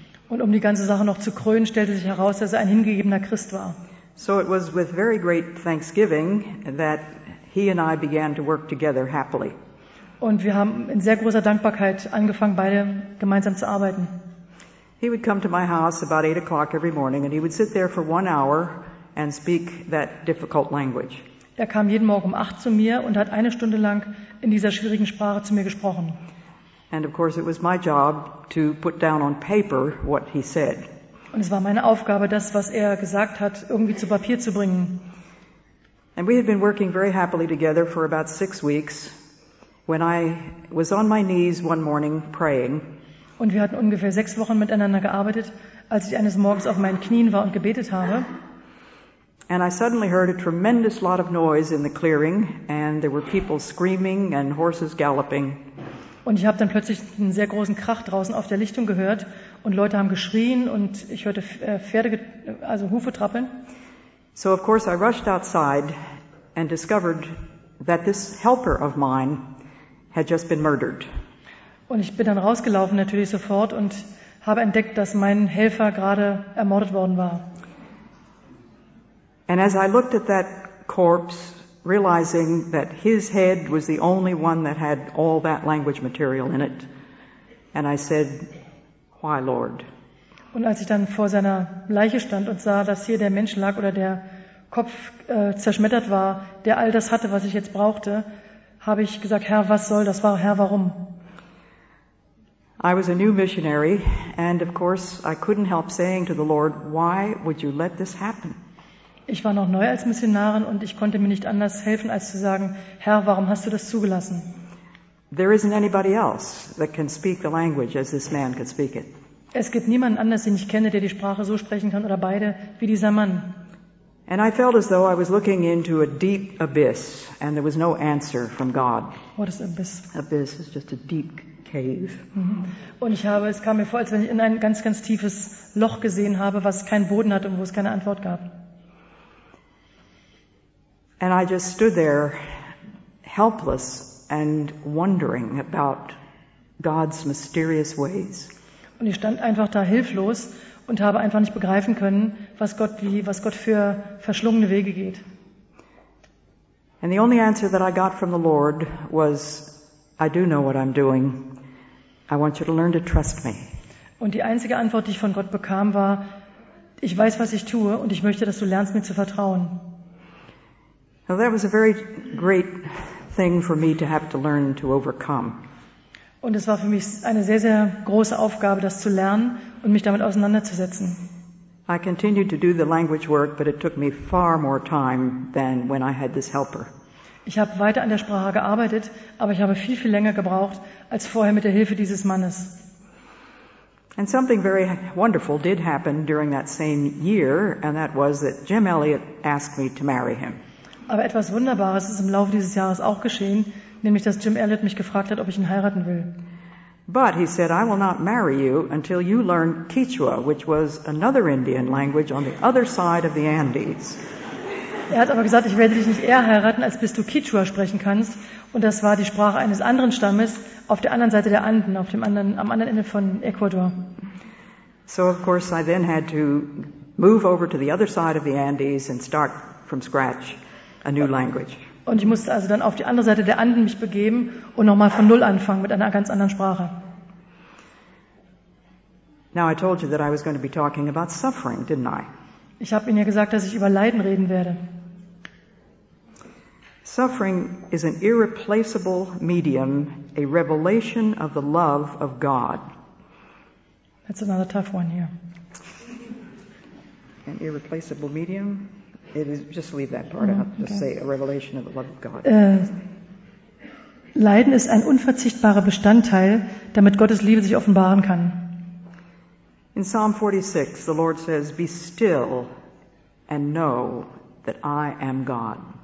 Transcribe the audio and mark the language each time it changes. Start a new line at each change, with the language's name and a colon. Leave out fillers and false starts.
German: Und um die ganze Sache noch zu krönen, stellte sich heraus, dass er ein hingegebener Christ war.
English: So it was with very great thanksgiving that he and I began to work together happily.
German: Und wir haben in sehr großer Dankbarkeit angefangen, beide gemeinsam zu arbeiten.
English: He would come to my house about 8 o'clock every morning and he would sit there for 1 hour and speak that difficult language.
German: Er kam jeden Morgen um 8 zu mir und hat eine Stunde lang in dieser schwierigen Sprache zu mir gesprochen.
English: And of course it was my job to put down on paper what he said.
German: Und es war meine Aufgabe, das, was er gesagt hat, irgendwie zu Papier zu bringen.
English: And we had been working very happily together for about 6 weeks when I was on my knees one morning praying.
German: Und wir hatten ungefähr 6 Wochen miteinander gearbeitet, als ich eines Morgens auf meinen Knien war und gebetet habe.
English: And I suddenly heard a tremendous lot of noise in the clearing and there were people screaming and horses galloping.
German: Und ich habe dann plötzlich einen sehr großen Krach draußen auf der Lichtung gehört und Leute haben geschrien und ich hörte Pferde, also Hufe trappeln.
English: So of course I rushed outside and discovered that this helper of mine had just been murdered.
German: Und ich bin dann rausgelaufen natürlich sofort und habe entdeckt, dass mein Helfer gerade ermordet worden war.
English: And as I looked at that corpse, realizing that his head was the only one that had all that language material in it, and I said, "Why, Lord?"
German: Und als ich dann vor seiner Leiche stand und sah, dass hier der Mensch lag oder der Kopf zerschmettert war, der all das hatte, was ich jetzt brauchte, habe ich gesagt, Herr, was soll das? Herr, warum?
English: I was a new missionary, and of course, I couldn't help saying to the Lord, "Why would you let this happen?"
German: Ich war noch neu als Missionarin und ich konnte mir nicht anders helfen, als zu sagen, Herr, warum hast du das zugelassen?
English: There isn't anybody else that can speak the language as this man could speak it.
German: Es gibt niemanden anders, den ich kenne, der die Sprache so sprechen kann oder beide wie dieser Mann.
English: And I felt as though I was looking into a deep abyss and there was no answer from God. What is abyss? Abyss is just a deep cave.
German: Und es kam mir vor, als wenn ich in ein ganz, ganz tiefes Loch gesehen habe, was keinen Boden hat und wo es keine Antwort gab.
English: And I just stood there helpless and wondering about God's mysterious ways.
German: Und ich stand einfach da hilflos und habe einfach nicht begreifen können, was Gott für verschlungene Wege geht.
English: And the only answer that I got from the Lord was, I do know what I'm doing. I want you to learn to trust me.
German: Und die einzige Antwort, die ich von Gott bekam, war, ich weiß, was ich tue und ich möchte, dass du lernst, mir zu vertrauen.
English: Now that was a very great thing for me to have to learn to overcome.
German: Und es war für mich eine sehr, sehr große Aufgabe, das zu lernen und mich damit auseinanderzusetzen.
English: I continued to do the language work, but it took me far more time than when I had this helper.
German: Ich habe weiter an der Sprache gearbeitet, aber ich habe viel, viel länger gebraucht als vorher mit der Hilfe dieses Mannes.
English: And something very wonderful did happen during that same year, and that was that Jim Elliot asked me to marry him.
German: Aber etwas Wunderbares ist im Laufe dieses Jahres auch geschehen, nämlich dass Jim Elliot mich gefragt hat, ob ich ihn heiraten will.
English: But he said, I will not marry you until you learn Quechua, which was another Indian language on the other side of the Andes.
German: Er hat aber gesagt, ich werde dich nicht eher heiraten, als bis du Quechua sprechen kannst. Und das war die Sprache eines anderen Stammes auf der anderen Seite der Anden, auf dem anderen, am anderen Ende von Ecuador.
English: So of course I then had to move over to the other side of the Andes and start from scratch a new language.
German: Und ich musste also dann auf die andere Seite der Anden mich begeben und nochmal von Null anfangen mit einer ganz anderen Sprache.
English: Now I told you that I was going to be talking about suffering, didn't I?
German: Ich habe Ihnen ja gesagt, dass ich über Leiden reden werde.
English: Suffering is an irreplaceable medium, a revelation of the love of God. That's another tough one here. An irreplaceable medium? It is, just leave that part out. Just say a revelation of the love of God.
German: Leiden ist ein unverzichtbarer Bestandteil, damit Gottes Liebe sich offenbaren kann.
English: In Psalm 46, the Lord says, "Be still and know that I am God."